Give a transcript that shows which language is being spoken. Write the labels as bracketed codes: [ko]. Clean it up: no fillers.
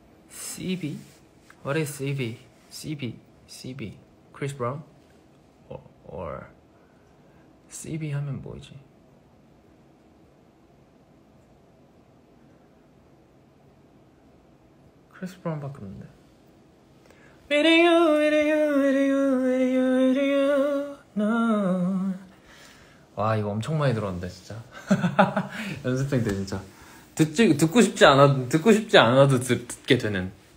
[en] 씨비? What is CB? CB, CB, Chris Brown, or CB [ko] 하면 뭐지? 크리스 브라운밖에 없는데. [en] With you, with you, with you, with you, with you, no. [ko] 와, 이거 엄청 많이 들었는데 진짜. 연습생 때 진짜 듣고 싶지 않아도 듣게 되는.